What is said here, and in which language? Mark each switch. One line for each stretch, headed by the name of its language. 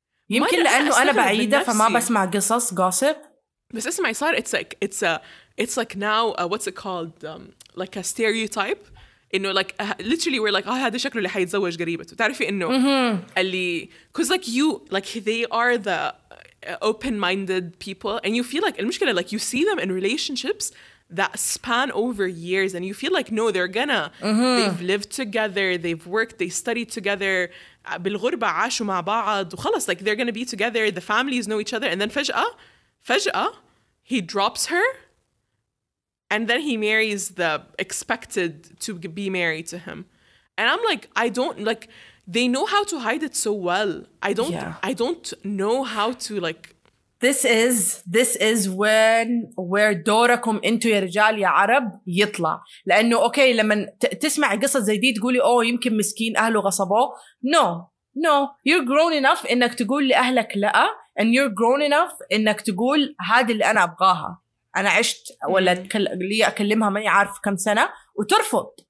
Arabic: يمكن لأنه أنا بعيدة فما بسمع قصص gossip. بس اسمعي صار
English: it's like now what's it called like a stereotype إنه like literally we're like
Arabic: هذا شكله اللي حيتزوج قريبته تعرفي إنه
English: اللي cause like you like they are the open minded people and you feel like المشكلة like you see them in relationships that span over years and you feel like no they're gonna they've lived together they've worked they studied together
Arabic: بالغربة عاشوا مع بعض وخلص
English: like they're gonna be together the families know each other and then فجأة he drops her and then he marries the expected to be married to him and I'm like I don't like they know how to hide it so well I don't know how to like This is where
Arabic: دوركم انتو يا رجال يا عرب يطلع لأنه أوكي لما تسمع قصة زي دي تقولي أوه يمكن مسكين أهله غصبوه
English: No You're grown enough
Arabic: إنك تقول لأهلك لأ
English: And you're grown enough
Arabic: إنك تقول هذه اللي أنا أبغاها أنا عشت ولا لي أكلمها ماني عارف كم سنة وترفض